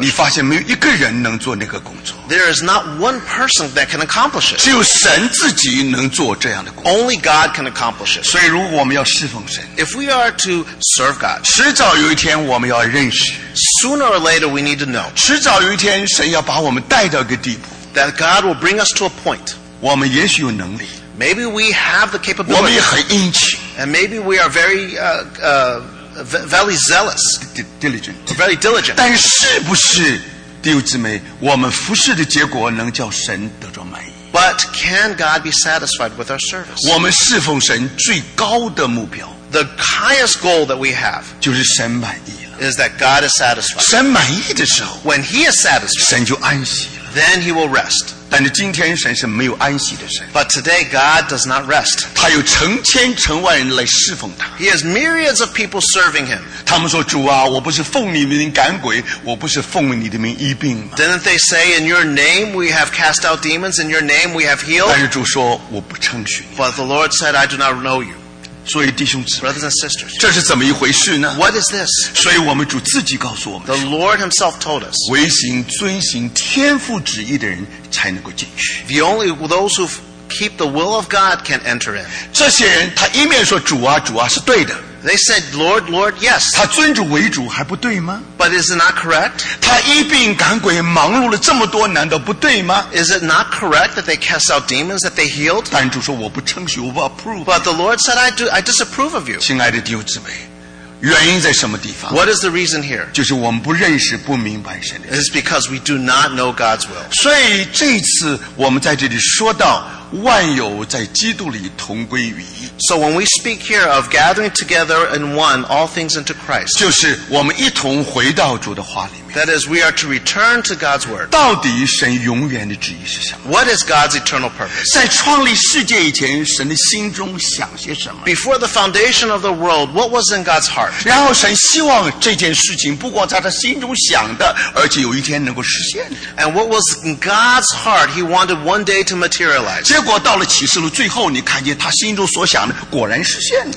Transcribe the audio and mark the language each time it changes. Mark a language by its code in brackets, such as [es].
[zh] 你发现没有一个人能做那个工作。 [en] There is not one person that can accomplish it. [zh] 只有神自己能做这样的工作。 [en] Only God can accomplish it. [zh] 所以如果我们要侍奉神 [en] ，If we are to serve God, [zh] 迟早有一天我们要认识。 [en] Sooner or later, we need to know. [zh] 迟早有一天，神要把我们带到一个地步。 [en] That God will bring us to a point. [zh] 我们也许有能力。 [en] Maybe we have the capability. [zh] 我们也很殷勤。 [en] And maybe we are very, very zealous. Diligent. Very diligent. [zh] 但是不是弟兄姊妹，我们服事的结果能叫神得着满意？ [en] But can God be satisfied with our service? [zh] 我们侍奉神最高的目标 [en] ，the highest goal that we have， [zh] 就是神满意了。 [en] Is that God is satisfied? [zh] 神满意的时候 [en] ，when He is satisfied， [zh] 神就安息了。 [en] Then He will rest. [zh] 但是今天神是没有安息的神。 [en] But today God does not rest. [zh] 他有成千成万人来侍奉他。 [en] He has myriads of people serving Him. [zh] 他们说主啊，我不是奉你的名赶鬼，我不是奉你的名医病吗？ [en] Didn't they say, In your name we have cast out demons, In your name we have healed? [zh] 但是主说我不称许你。 [en] But the Lord said, I do not know you. [zh] 所以弟兄姊妹 [en] Brothers and sisters, [zh] 这是怎么一回事呢？ [en] What is this? [zh] 所以我们主自己告诉我们 [en] The Lord Himself told us. [zh] 唯行遵行天父旨意的人才能够进去。 [en] The only those who keep the will of God can enter in. [zh] 这些人他一面说主啊主啊是对的。 [en] They said, Lord, Lord, yes. [zh] 他尊主为主还不对吗？ [en] But is it not correct? [zh] 他医病赶鬼忙碌了这么多难道不对吗？ [en] Is it not correct that they cast out demons that they healed? [zh] 但主说我不称许我不 [en] approve. But the Lord said, I disapprove of you. [zh] 亲爱的弟兄姊妹原因在什么地方？ [en] What is the reason here? [zh] 就是我们不认识不明白神的。 [en] It's because we do not know God's will. [zh] 所以这次我们在这里说到万有在基督里同归于一。 [en] So when we speak here of gathering together in one all things into Christ, [zh] 就是我们一同回到主的话里面。 [en] That is, we are to return to God's word. [zh] 到底神永远的旨意是什么？ [en] What is God's eternal purpose? [zh] 在创立世界以前，神的心中想些什么？ [en] Before the foundation of the world, what was in God's heart? [zh] 然后神希望这件事情不光在他心中想的，而且有一天能够实现。 [en] And what was in God's heart? He wanted one day to materialize. [zh] 结果到了启示录最后，你看见他心中所想的果然实现了。